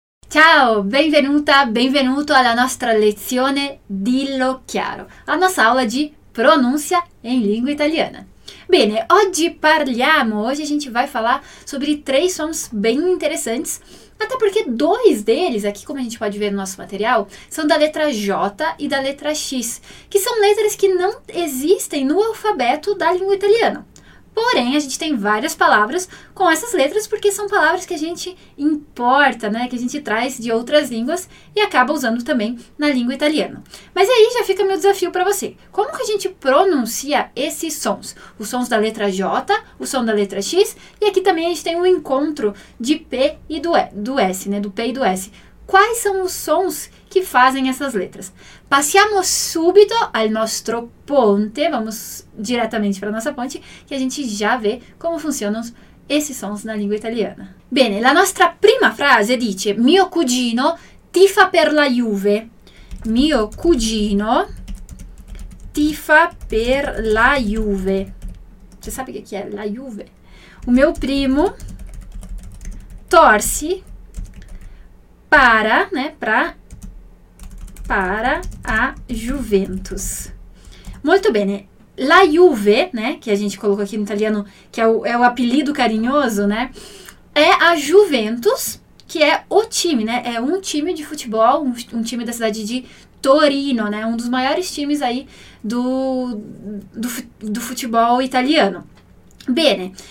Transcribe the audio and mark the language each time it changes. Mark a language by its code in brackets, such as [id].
[it] Ciao, benvenuta, benvenuto alla nostra lezione Dillo chiaro. La nostra aula di pronuncia in lingua italiana. [pt] Bene, oggi a gente vai falar sobre três sons bem interessantes, até porque dois deles, aqui como a gente pode ver no nosso material, são da letra J e da letra X, que são letras que não existem no alfabeto da língua italiana. Porém, a gente tem várias palavras com essas letras porque são palavras que a gente importa, né? Que a gente traz de outras línguas e acaba usando também na língua italiana. Mas aí já fica meu desafio para você. Como que a gente pronuncia esses sons? Os sons da letra J, o som da letra X e aqui também a gente tem um encontro de P e do S, né? Do P e do S. Quais são os sons que fazem essas letras? [it] Passiamo subito al nostro ponte, [pt] vamos diretamente para nossa ponte, que a gente já vê como funcionam esses sons na língua italiana. [it] Bene, la nostra prima frase dice: Mio cugino tifa per la Juve. Mio cugino tifa per la Juve. [pt] Você sabe o que é la Juve? O meu primo torce para, né, para a Juventus. Muito bem. La Juve, né, que a gente colocou aqui no italiano, que é o apelido carinhoso, né, é a Juventus, que é o time, né, é um time de futebol, um time da cidade de Torino, né, um dos maiores times aí do futebol italiano. Bene.